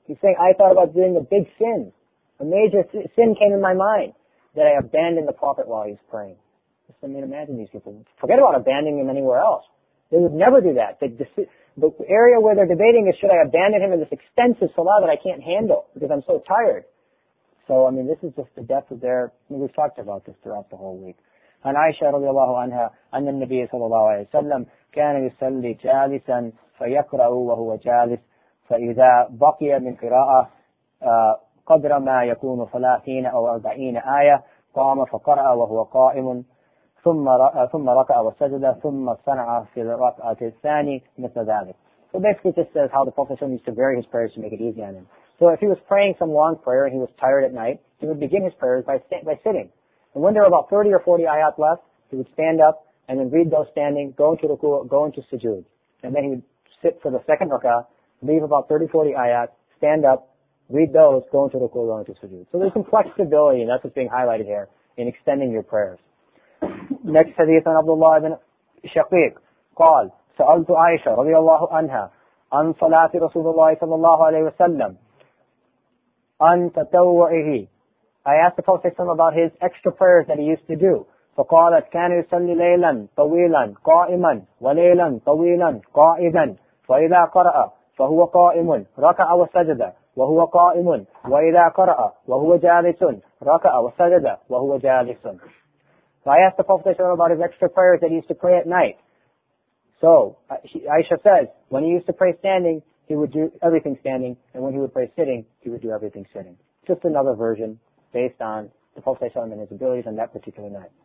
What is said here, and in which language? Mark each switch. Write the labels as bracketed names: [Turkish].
[English] He's saying, I thought about doing a big sin. A major sin came in my mind that I abandoned the Prophet while he was praying. I mean, imagine these people. Forget about abandoning him anywhere else. They would never do that. The area where they're debating is, should I abandon him in this extensive salah that I can't handle because I'm so tired? So, I mean, this is just the depth of their... I mean, we've talked about this throughout the whole week. And Aisha radiallahu anha, and the Nabi sallallahu alayhi wa sallam, [Arabic] كان يسلي جالسا فيقرأ وهو جالس فإذا بقي من قراءة قدر ما يكون 30 أو 40 آية قام فقرأ وهو قائم ثم ركع وسجد ثم صنع في الركعة الثانية مثل ذلك. [English] So basically this says how the Prophet used to vary his prayers to make it easy on him. So if he was praying some long prayer and he was tired at night, he would begin his prayers by sitting. And when there were about 30 or 40 ayat left, he would stand up and then read those standing, go into ruku', go into sujood. And then he would sit for the second ruka', leave about 30, 40 ayat, stand up, read those, go into ruku', go into sujood. So there's some flexibility, and that's what's being highlighted here, in extending your prayers. Next hadith on Abdullah ibn Shaqiq, [Arabic] قال, سألت عائشة رضي الله عنها عن صلاة رسول الله صلى الله عليه وسلم عن تتوعه. [English] I asked the Prophet about his extra prayers that he used to do. [Arabic] فقالت كان يصلي ليلا طويلا قائما وليلا طويلا قائما فإذا قرأ فهو قائم ركع وسجد وهو قائم وإذا قرأ وهو جالس ركع وسجد وهو جالس. [English] So I asked the Prophet about his extra prayers that he used to pray at night. So Aisha says, when he used to pray standing, he would do everything standing, and when he would pray sitting, he would do everything sitting. Just another version based on the Prophet and his abilities on that particular night.